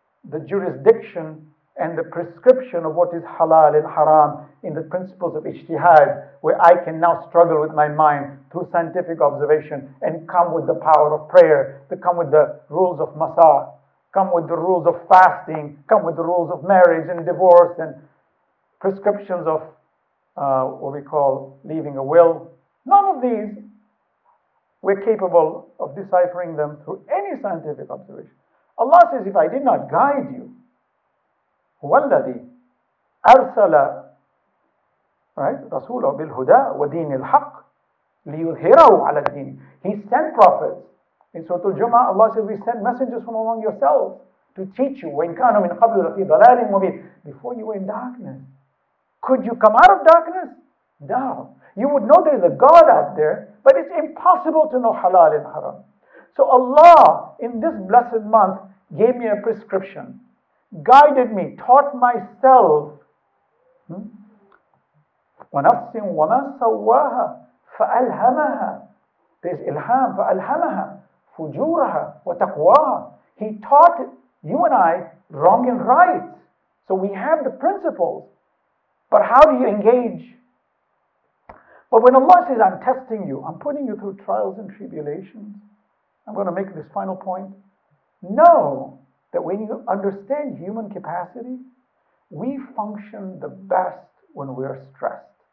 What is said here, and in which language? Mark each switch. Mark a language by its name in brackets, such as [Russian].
[English] the jurisdiction and the prescription of what is halal and haram in the principles of ijtihad, where I can now struggle with my mind through scientific observation and come with the power of prayer, to come with the rules of masah, come with the rules of fasting, come with the rules of marriage and divorce and prescriptions of what we call leaving a will. None of these, we're capable of deciphering them through any scientific observation. Allah says, if I did not guide you, [Arabic] وَالَّذِي أَرْسَلَ رَسُولَ بِالْهُدَى وَدِينِ الْحَقِّ لِيُظْهِرَهُ عَلَى الدِّينِ. [English] He sent prophets. In Surah Al-Jum'ah, Allah says, we send messengers from among yourselves to teach you. [Arabic] وَإِنْ كَانُوا مِنْ قَبْلُ لَفِي ضَلَالٍ مُبِينٍ. [English] Before you were in darkness, could you come out of darkness? No. You would know there is a God out there, but it's impossible to know halal and haram. So Allah, in this blessed month, gave me a prescription, guided me, taught myself. [Arabic] وَنَفْسٍ وَمَا سَوَّاهَا فَأَلْهَمَهَا. [English] There's ilham, [Arabic] فَأَلْهَمَهَا فُجُورَهَا وَتَقْوَاهَا. [English] He taught you and I wrong and right. So we have the principles, but how do you engage? But when Allah says, I'm testing you, I'm putting you through trials and tribulations, I'm going to make this final point. Know that when you understand human capacity, we function the best when we are stressed.